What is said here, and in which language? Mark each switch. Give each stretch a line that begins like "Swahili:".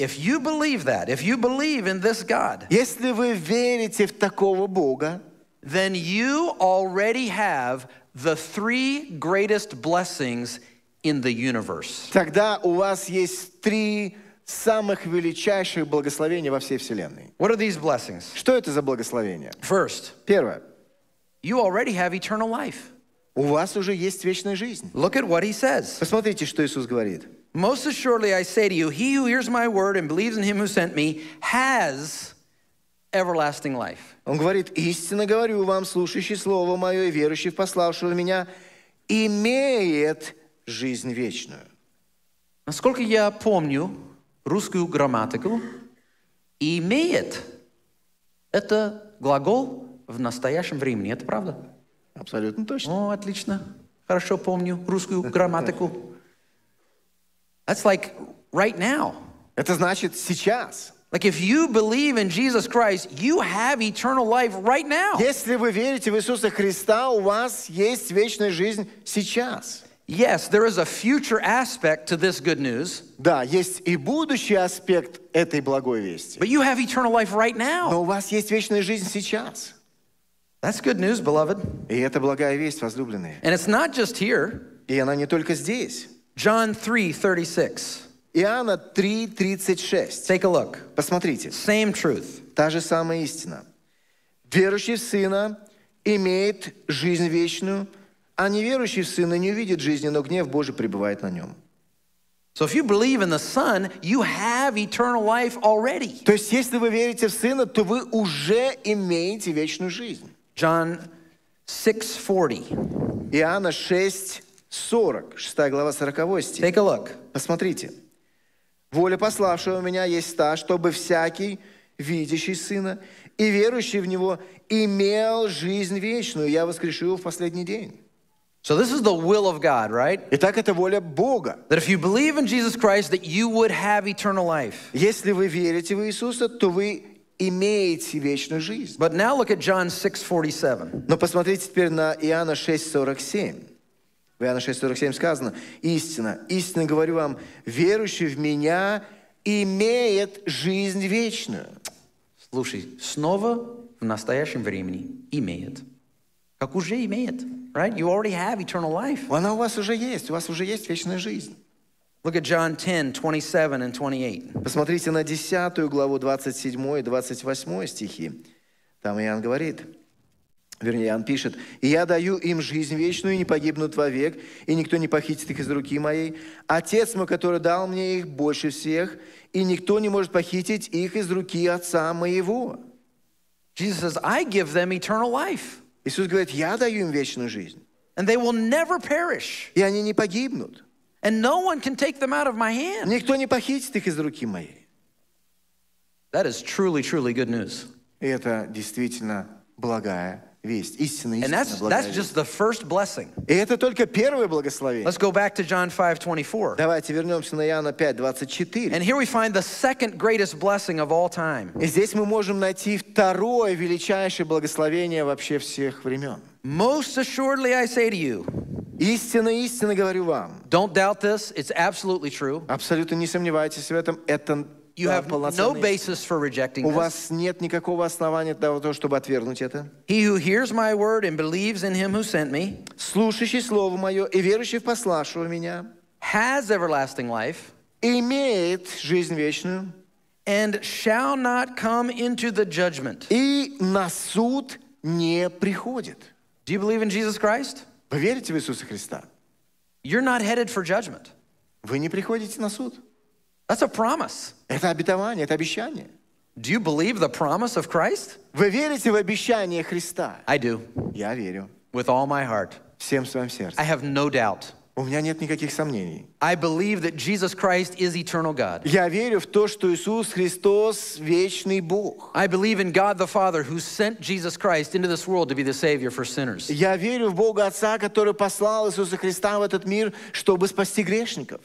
English: If you believe that, if you believe in this God,
Russian: если вы верите в такого Бога,
English: then you already have the three greatest blessings in the universe.
Russian: Тогда у вас есть три самых величайших благословения во всей вселенной.
English: What are these blessings?
Russian: Что это за благословения?
English: First.
Russian: Первое.
English: You already have eternal life.
Russian: У вас уже есть вечная жизнь.
English: Look at what he says.
Russian: Посмотрите, что Иисус говорит.
English: Most assuredly I say to you, he who hears my word and believes in him who sent me has everlasting life.
Russian: Он говорит: истинно говорю вам, слушающий слово мое и верующий в пославшего меня имеет жизнь вечную. Насколько я помню русскую грамматику, имеет – это глагол в настоящем времени. Это правда? Абсолютно точно. О, отлично. Хорошо помню русскую грамматику.
English: That's like right now.
Russian: Это значит сейчас.
English: Like if you believe in Jesus Christ, you have eternal life right now.
Russian: Если вы верите в Иисуса Христа, у вас есть вечная жизнь сейчас.
English: Yes, there is a future aspect to this good news.
Russian: Да, есть и будущий аспект этой благой вести.
English: But you have eternal life right now.
Russian: Но у вас есть вечная жизнь сейчас.
English: That's good news, beloved.
Russian: И это благая весть, возлюбленные.
English: And it's not just here.
Russian: И она не только здесь.
English: John 3:36.
Russian: Иоанна 3:36.
English: Take a look.
Russian: Посмотрите.
English: Same truth.
Russian: Та же самая истина. Верующий в Сына имеет жизнь вечную, а неверующий в Сына не увидит жизни, но гнев Божий пребывает на нем.
English: So if you believe in the Son, you have eternal life already.
Russian: То есть, если вы верите в Сына, то вы уже имеете вечную жизнь.
English: John 6:40.
Russian: Иоанна 6:40. 6 глава, 40 стих.
English: Take a look.
Russian: Посмотрите. Воля пославшего меня есть та, чтобы всякий, видящий Сына и верующий в Него, имел жизнь вечную. Я воскрешу его в последний день.
English: So this is the will of God, right?
Russian: Итак, это воля Бога.
English: That if you believe in Jesus Christ, that you would have eternal life.
Russian: Если вы верите в Иисуса, то вы имеете вечную жизнь.
English: But now look at John 6:47.
Russian: Но посмотрите теперь на Иоанна 6:47. В Иоанна 6:47 сказано: истина, истинно говорю вам, верующий в меня имеет жизнь вечную. Слушай, снова в настоящем времени имеет. Как уже имеет,
English: right? You already have eternal life.
Russian: Она у вас уже есть. У вас уже есть вечная жизнь.
English: Look at John 10, 27 and 28.
Russian: Посмотрите на 10 главу 27 и 28 стихи. Там Иоанн говорит, вернее, Иоанн пишет, «И я даю им жизнь вечную, и не погибнут вовек, и никто не похитит их из руки моей. Отец мой, который дал мне их больше всех, и никто не может похитить их из руки Отца моего».
English: Jesus says, I give them eternal life.
Russian: Иисус говорит, «Я даю им вечную жизнь».
English: And they will never perish.
Russian: И они не погибнут.
English: And no one can take them out of my hand.
Russian: Никто не похитит их из руки моей.
English: That is truly, truly good news.
Russian: Это действительно благая весть, истинная,
English: and that's just the first blessing.
Russian: И это только первое благословение.
English: Let's go back to John 5:24.
Russian: Давайте вернемся на Иоанна 5:24.
English: And here we find the second greatest blessing of all time.
Russian: И здесь мы можем найти второе величайшее благословение вообще всех времен.
English: Most assuredly I say to you.
Russian: Истинно, истинно говорю вам.
English: Don't doubt this, it's absolutely true.
Russian: Абсолютно не сомневайтесь в этом, это
English: You have no basis for rejecting this.
Russian: У вас нет никакого основания для того, чтобы отвергнуть это.
English: He who hears my word and believes in him who sent me,
Russian: слушающий слово мое и верующий в пославшего меня,
English: has everlasting life,
Russian: имеет жизнь вечную,
English: and shall not come into the judgment,
Russian: и на суд не приходит.
English: Do you believe in Jesus Christ?
Russian: Вы верите в Иисуса Христа?
English: You're not headed for judgment.
Russian: Вы не приходите на суд.
English: That's a promise.
Russian: Это обетование, это обещание.
English: Do you believe the promise of Christ?
Russian: Вы верите в обещание Христа?
English: I do.
Russian: Я верю.
English: With all my heart.
Russian: Всем своим сердцем.
English: I have no doubt.
Russian: У меня нет никаких сомнений.
English: I believe that Jesus Christ is eternal God.
Russian: Я верю в то, что Иисус Христос вечный Бог.
English: I believe in God the Father who sent Jesus Christ into this world to be the Savior for sinners.
Russian: Я верю в Бога Отца, который послал Иисуса Христа в этот мир, чтобы спасти грешников.